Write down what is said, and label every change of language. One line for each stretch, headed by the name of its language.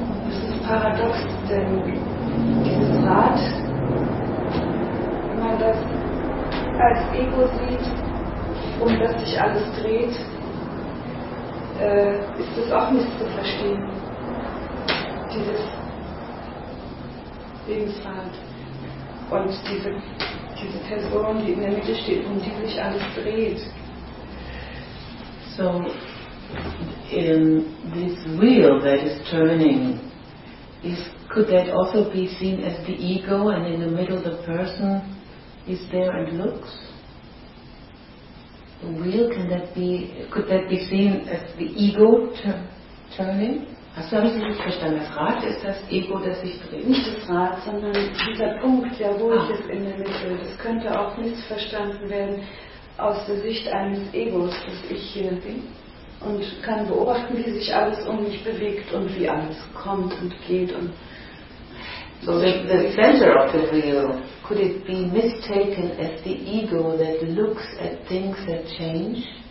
German: Das ist paradox, denn dieses Rad, wenn man das als Ego sieht, um das sich alles dreht, ist das auch nicht zu verstehen. Dieses Lebensrad und diese Person, die in der Mitte steht, um die sich alles dreht.
English: So, in this wheel that is turning, could that also be seen as the ego, and in the middle the person is there and looks? The wheel, could that be seen as the ego turning?
German: Hast du das nicht verstanden? Das Rad ist das Ego, das sich dreht. Nicht das Rad, sondern dieser Punkt, ja, wo ich es in der Mitte. Das könnte auch missverstanden werden aus der Sicht eines Egos, dass ich hier bin und kann beobachten, wie sich alles um mich bewegt und wie alles kommt und geht. Und
English: so the center of the wheel, could it be mistaken as the ego that looks at things that change?